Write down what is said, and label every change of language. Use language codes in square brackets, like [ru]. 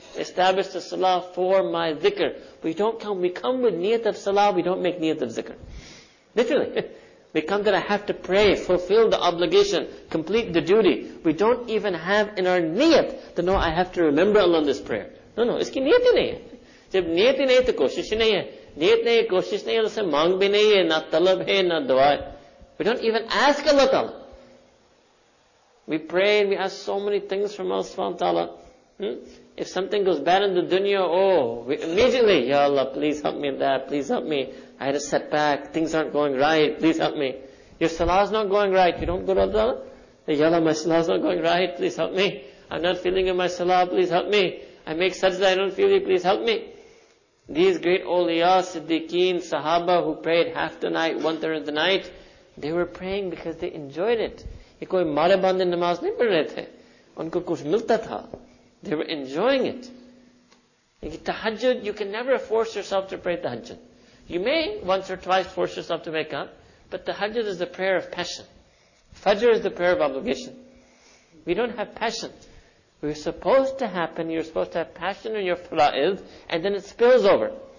[en] Establish the salah for my zikr. We don't come, we come with niyat of salah, we don't make niyat of zikr. Literally. We come that I have to pray, fulfill the obligation, complete the duty. We don't even have in our niyat to know I have to remember Allah in this prayer. No, [ur] اسکی نیت ہی نہیں ہے. جب نیت ہی نہیں ہے، تو کوشش نہیں ہے. نیت نہیں ہے، کوشش نہیں ہے، اس سے مانگ بھی نہیں ہے، نہ طلب ہے، نہ دعا ہے. [en] We don't even ask Allah Ta'ala. We pray and we ask so many things from Allah Subhanahu wa ta'ala. If something goes bad in the dunya, immediately, Ya Allah, please help me in that, please help me. I had a setback, things aren't going right, please help me. Your salah is not going right, you don't go to Allah. Ya Allah, my salah is not going right, please help me. I'm not feeling in my salah, please help me. I make sajda, I don't feel it, please help me. These great awliya, siddiqeen, sahaba who prayed half the night, one third of the night, they were praying because they enjoyed it. [ur] یہ کوئی مرے بندے نماز نہیں پڑھ رہے تھے۔ ان کو کچھ ملتا تھا۔ [en] They were enjoying it. Tahajjud, you can never force yourself to pray tahajjud. You may once or twice force yourself to wake up, but tahajjud is the prayer of passion. Fajr is the prayer of obligation. We don't have passion. We're supposed to happen, you're supposed to have passion in your fara'id, and then it spills over.